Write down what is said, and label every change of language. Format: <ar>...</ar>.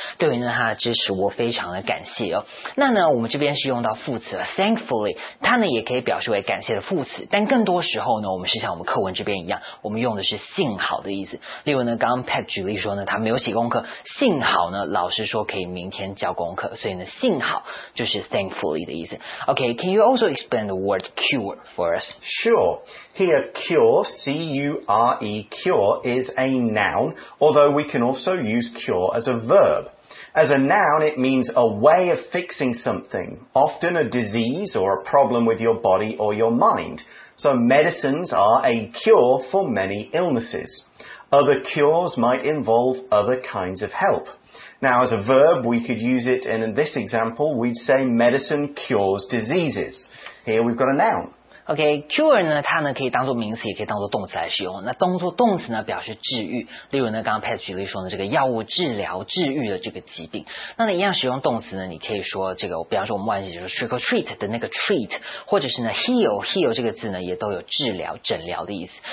<zh>对于呢他的支持我非常的感谢哦。那呢我们这边是用到副词 thankfully, 它呢也可以表示为感谢的副词。但更多时候呢我们是像我们课文这边一样我们用的是幸好的意思。例如呢刚刚 Pat 举例说呢他没有写功课幸好呢老师说可以明天交功课。所以呢幸好就是 thankfully 的意思。</zh> <en>Okay, can you also explain the word cure for us? Sure. Here, cure, C-U-R-E, cure, is a noun, although we can also use cure as a verb. As a noun, it means a way of fixing something, often a disease or a problem with your body or your mind. So medicines are a cure for many illnesses. Other cures might involve other kinds of help. Now, as a verb, we could use it, and in this example, we'd say medicine cures diseases. Here we've got a noun.</en> <zh>Okay, cure 呢，它呢可以当做名词，也可以当做动词来使用。那当做动词呢，表示治愈。例如呢，刚刚 Pat 举例说呢，这个药物治疗治愈的这个疾病。那你一样使用动词呢，你可以说这个，比方说我们外语就是</zh> <en>trick or treat</en> <zh>的那个 treat， 或者是呢 heal 这个字呢，也都有治疗诊疗的意思。</zh>